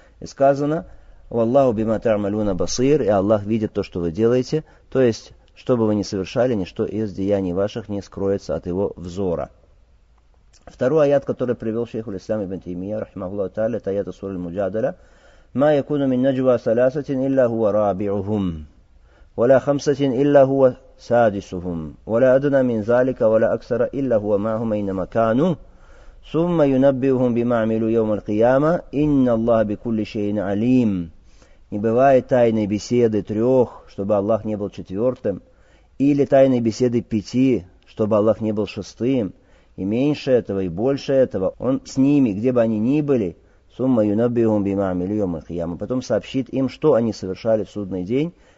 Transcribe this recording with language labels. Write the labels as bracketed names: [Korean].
[Russian] И сказано, «Валлаху бима та'малюна басир», и Аллах видит то, что вы делаете. То есть, что бы вы ни совершали, ничто из деяний ваших не скроется от его взора. Второй аят, который привел шейх Ислам ибн Таймия, рахимахуллаху та'аля, это аят сура Аль-Муджадала. [Arabic] ما يكون من نجوى ثلاثة إلا هو رابعهم ولا خمسة إلا هو سادسهم ولا أدنى من ذلك ولا أكثر إلا هو معهم أينما كانوا ثم ينبئهم بما عملوا يوم القيامة إن الله بكل شيء عليم. [Russian] Не бывает тайной беседы трех, чтобы Аллах не был четвертым, или тайной беседы пяти, чтобы Аллах не был шестым, и меньше этого, и больше этого. Он с ними, где бы они ни были, [Arabic] ثم ينبئهم بما عملوا يوم القيامة. [Russian] Потом сообщит им, что они совершали в судный день.